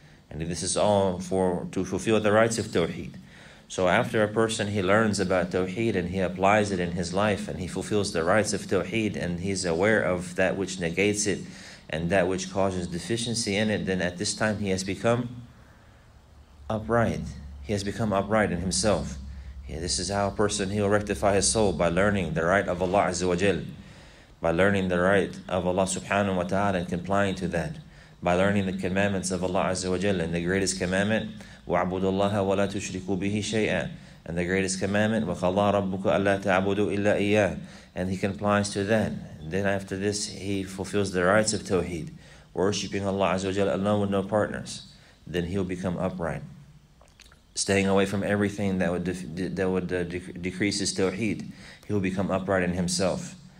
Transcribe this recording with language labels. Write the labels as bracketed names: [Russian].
[English] And this is all to fulfill the rights of tawheed. So after a person, he learns about tawheed and he applies it in his life and he fulfills the rights of tawheed and he's aware of that which negates it and that which causes deficiency in it, then at this time he has become upright. He has become upright in himself. Yeah, this is how a person, he will rectify his soul by learning the right of Allah Azza wa Jal. By learning the right of Allah subhanahu wa ta'ala and complying to that. By learning the commandments of Allah Azza wa Jal. And the greatest commandment, [Arabic] وَعْبُدُ اللَّهَ وَلَا تُشْرِكُوا بِهِ شَيْئًا. [English] And the greatest commandment, [Arabic] وَخَلَّا رَبُّكَ أَلَّا تَعْبُدُوا إِلَّا إِيَّاهُ. [English] And he complies to that. And then after this, he fulfills the rights of Tawheed. Worshipping Allah Azza wa Jal alone with no partners. Then he will become upright. Staying away from everything that would decrease his tawheed, he will become upright in himself.